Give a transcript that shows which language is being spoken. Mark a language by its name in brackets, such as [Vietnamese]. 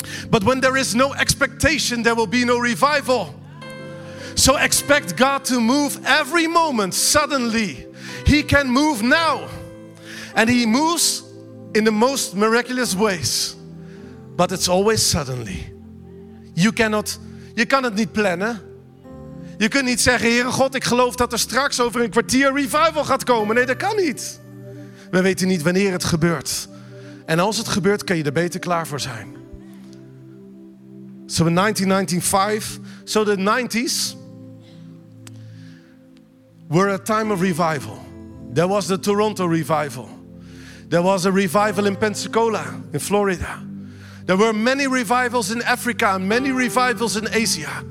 [English] But when there is no expectation, there will be no revival. So expect God to move every moment suddenly. He can move now, and He moves in the most miraculous ways. But it's always suddenly. You cannot [Dutch] niet plannen. Je kunt niet zeggen, Heere God, ik geloof dat er straks over een kwartier revival gaat komen. Nee, dat kan niet. We weten niet wanneer het gebeurt. En als het gebeurt, kan je er beter klaar voor zijn. [English] So in 1995, so the 90s were a time of revival. There was the Toronto revival. There was a revival in Pensacola, in Florida. There were many revivals in Africa, many revivals in Asia.